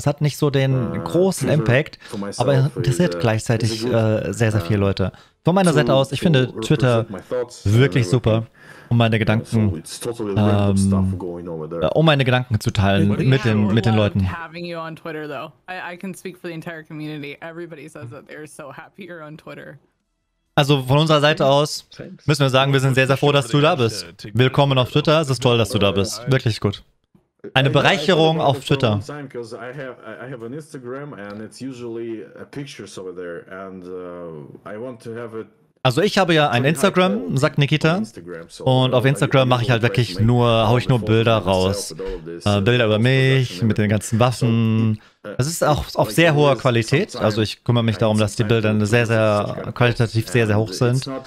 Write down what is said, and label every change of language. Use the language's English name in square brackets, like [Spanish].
[German] Es hat nicht so den großen Impact, aber interessiert gleichzeitig sehr, sehr viele Leute. Von meiner Seite aus, ich finde Twitter wirklich super, um meine Gedanken zu teilen mit den Leuten. [English] Having you on Twitter though, I can speak for the entire community. Everybody says that they're so happy you're on Twitter. [German] Also von unserer Seite aus müssen wir sagen, wir sind sehr, sehr froh, dass du da bist. Willkommen auf Twitter, es ist toll, dass du da bist. Wirklich gut. Eine Bereicherung auf Twitter. [English] I have an Instagram and it's usually pictures over there and I want to have it. [German] Also ich habe ja ein Instagram, sagt Nikita, und auf Instagram mache ich halt wirklich nur, haue ich nur Bilder raus. Bilder über mich, mit den ganzen Waffen. Es ist auch auf sehr hoher Qualität, also ich kümmere mich darum, dass die Bilder sehr, sehr qualitativ sehr, sehr hoch sind.